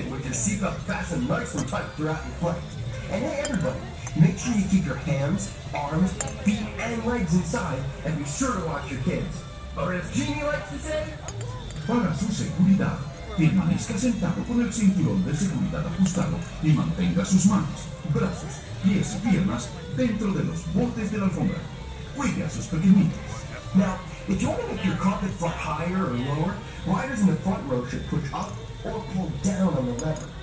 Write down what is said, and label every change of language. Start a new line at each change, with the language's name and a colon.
English: Seatbelt fastened lights were tight throughout your flight. And hey, everybody, make sure you keep your hands, arms, feet, and legs inside, and be sure to watch your kids. Or as Jeannie likes to say,
Spanish: para su seguridad, permanezca sentado con el cinturón de seguridad ajustado y mantenga sus manos, brazos, pies y piernas dentro de los bordes de la alfombra. Cuide a sus pequeñitos.
English: Now, if you want to make your carpet fly higher or lower, riders in the front row should push up or pull down on the lever.